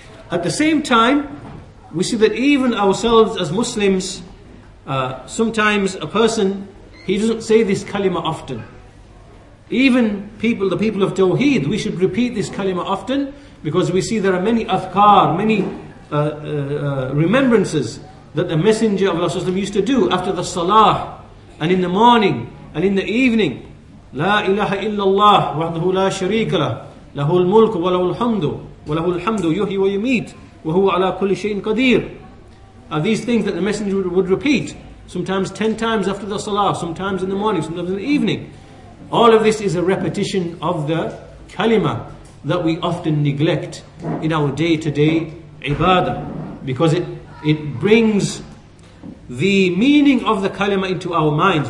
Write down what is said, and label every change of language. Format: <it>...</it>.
<en>At the same time, we see that even ourselves as Muslims, sometimes a person, he doesn't say this kalima often. Even people, the people of Tawheed, we should repeat this kalima often, because we see there are many afkar, many remembrances that the Messenger of Allah used to do after the salah, and in the morning, and in the evening.</en> <ar>لا إله إلا الله وحده لا شريك له له الملك وله الحمد وله الحمد يحيي ويميت وهو على كل شيء قدير.</ar> <en>Are these things that the Messenger would repeat, sometimes 10 times after the salah, sometimes in the morning, sometimes in the evening. All of this is a repetition of the kalima that we often neglect in our day-to-day ibadah, because it brings the meaning of the kalima into our minds.</en>